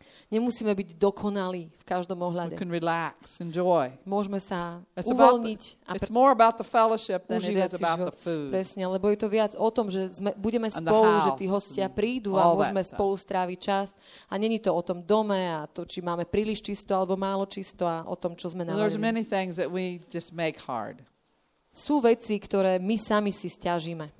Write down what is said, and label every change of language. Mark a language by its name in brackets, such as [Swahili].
[Slovak] Nemusíme byť dokonalí v každom ohľade. [English] We can relax, enjoy. [Slovak] Môžeme sa uvoľniť. [English] It's more about the fellowship than it is about the food. [Slovak] Presne, lebo je to viac o tom, že budeme spolu, že tí hostia prídu a môžeme spolu stráviť čas. A není to o tom dome a to, či máme príliš čisto alebo málo čisto a o tom, čo sme navarili. [English] There's many things that we just make hard. [Slovak] Sú veci, ktoré my sami si sťažíme.